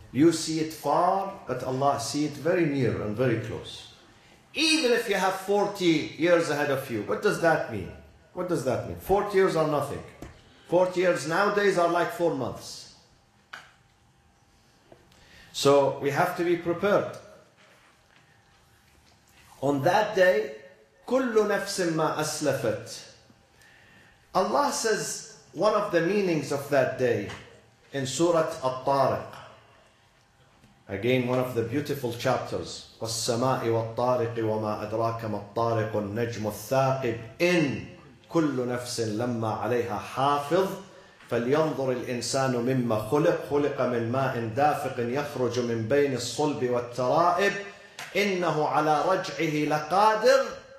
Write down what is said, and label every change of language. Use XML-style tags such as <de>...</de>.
<en>You see it far, but Allah see it very near and very close. Even if you have 40 years ahead of you, what does that mean? What does that mean? 40 years are nothing. 40 years nowadays are like 4 months. So we have to be prepared. On that day,</en> <ar>كُلُّ نَفْسٍ مَا أَسْلَفَتْ.</ar> <en>Allah says one of the meanings of that day in Surah At-Tariq. Again, one of the beautiful chapters.</en> <ar>وَالسَّمَاءِ وَالطَّارِقِ وَمَا أَدْرَاكَ مَا الطَّارِقُ النَّجْمُ الثَّاقِبُ إِنْ كُلُّ نَفْسٍ لَمَّا عَلَيْهَا حَافِظٌ فَلْيَنْظُرِ الْإِنسَانُ مِمَّا خُلِقَ خُلِقَ مِنْ مَاءٍ دَافِقٍ يَخْرُجُ مِنْ بَيْنِ الصُّلْبِ وَالتَّرَائِبِ إِنَّهُ عَلَى رَجْعِهِ لَقَادِرٌ.</ar>